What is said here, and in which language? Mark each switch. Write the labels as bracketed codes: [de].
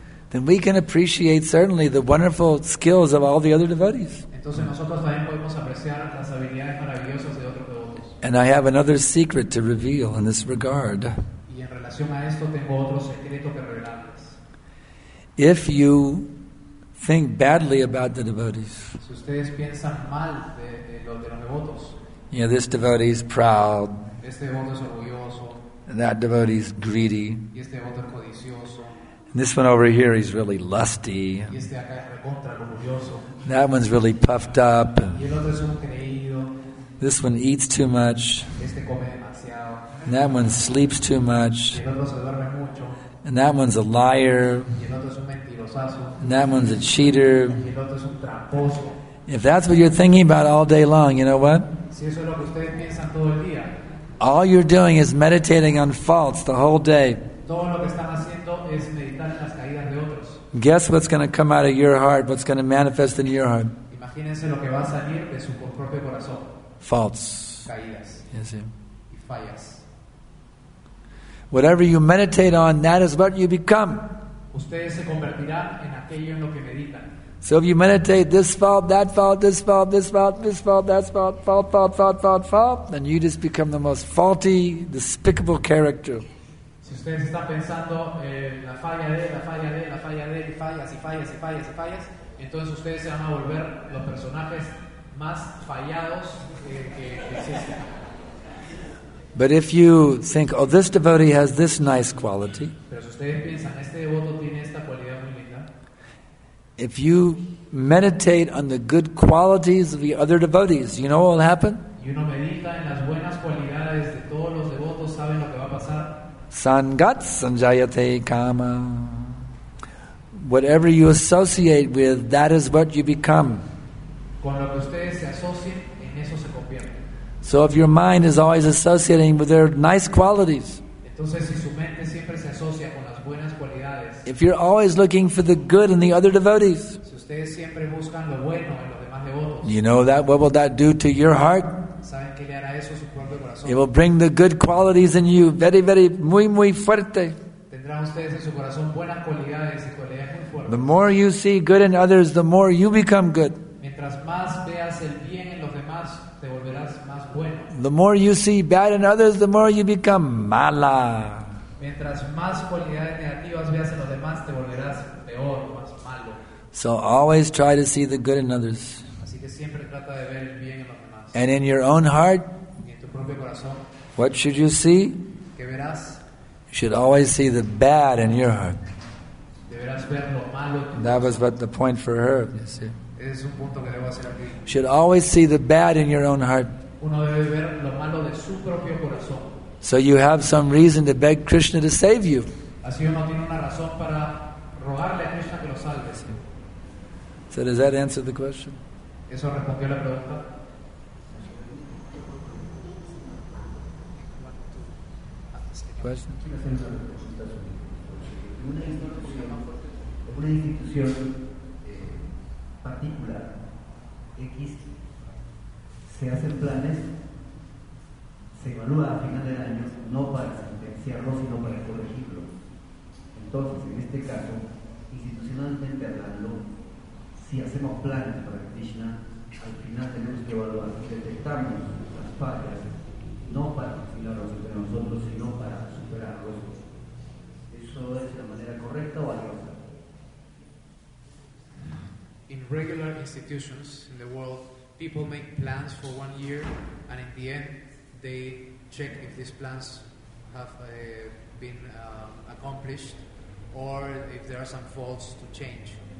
[en] then we can appreciate certainly the wonderful skills of all the other devotees. [es] Entonces nosotros también podemos apreciar las habilidades maravillosas de otros devotos. [en] And I have another secret to reveal in this regard. [es] Y en relación a esto tengo otro secreto que revelarles. [en] If you think badly about the devotees, [es] si ustedes piensan mal de los devotos, [en] you know, this devotee is proud, [es] este devoto es orgulloso, [en] and that devotee is greedy, [es] y este devoto es codicioso, [en] and this one over here is really lusty, [es] y este acá es recontra, orgulloso, [en] that one's really puffed up, [es] y el otro es un creído, [en] this one eats too much, [es] este come demasiado, [en] and that one sleeps too much, [es] y el otro se duerme mucho, [en] and that one's a liar, [es] y el otro es un mentirosazo, [en] and that one's a cheater, [es] y el otro es un tramposo. [en] If that's what you're thinking about all day long, you know what? [es] Si eso es lo que ustedes piensan todo el día, [en] all you're doing is meditating on faults the whole day. [es] Todo lo que están haciendo es meditar en las caídas de otros. [en] Guess what's going to come out of your heart, what's going to manifest in your heart? [es] Imagínense lo que va a salir de su propio corazón. [en] Faults. [es] Caídas. [en] Yes, sir. [es] Y fallas. [en] Whatever you meditate on, that is what you become. [es] Ustedes se convertirán en aquello en lo que meditan. [en] So if you meditate this fault, that fault, this fault, this fault, this fault, that fault, fault, fault, fault, fault, fault, then you just become the most faulty, despicable character. [es] Si ustedes están pensando la falla de, la falla de, la falla de, fallas y fallas y fallas y fallas, entonces ustedes se van a volver los personajes más fallados que existen. [en] But if you think, oh, this devotee has this nice quality, [es] pero si ustedes piensan, este devoto tiene esta cualidad muy. [en] If you meditate on the good qualities of the other devotees, you know what will happen? [es] Uno medita en las buenas cualidades de todos los devotos, ¿saben lo que va a pasar? [sa] Sangat sanjayate kama. [en] Whatever you associate with, that is what you become. [es] con lo que ustedes se asocien, en eso se convierte. [en] So if your mind is always associating with their nice qualities, [es] entonces, si su mente siempre se asocia con las buenas cualidades, [en] if you're always looking for the good in the other devotees, [es] si ustedes siempre buscan lo bueno en los demás devotos, [en] you know that, what will that do to your heart? [es] ¿Saben qué le hará eso a su propio corazón? [en] It will bring the good qualities in you very, very, [es] muy, muy fuerte. Tendrán ustedes en su corazón buenas cualidades y cualidades muy fuertes. [en] The more you see good in others, the more you become good. [es] Mientras más veas el bien en los demás, te volverás más bueno. [en] The more you see bad in others, the more you become mala. [es] Mientras más cualidades negativas veas en los demás, te volverás peor, más malo. [en] So always try to see the good in others. [es] Así que siempre trata de ver el bien en los demás. [en] And in your own heart, [es] y en tu propio corazón, [en] what should you see? [es] ¿Qué verás? [en] You should always see the bad in your heart. [es] Deberás ver lo malo en tu corazón. [en] That was but the point for her, you see. [es] Es un punto que debo hacer aquí. [en] You should always see the bad in your own heart. [es] Uno debe ver lo malo de su propio corazón. [en] So you have some reason to beg Krishna to save you. [es] Así uno tiene una razón para rogarle a Krishna que lo salve. Sí. [en] So does that answer the question? [es] ¿Eso respondió la pregunta? Una institución particular X se hacen planes, se evalúa a final del año, no para sentenciarlo sino para corregirlo. Entonces, en este caso, institucionalmente hablando, si hacemos planes para Krishna, al final tenemos que evaluar, detectamos las fallas, no para afilarlos entre nosotros sino para superarlos. ¿Eso es la manera correcta o hay otra? [en] In regular institutions in the world, people make plans for 1 year, and in the end, they check if these plans have been accomplished or if there are some faults to change.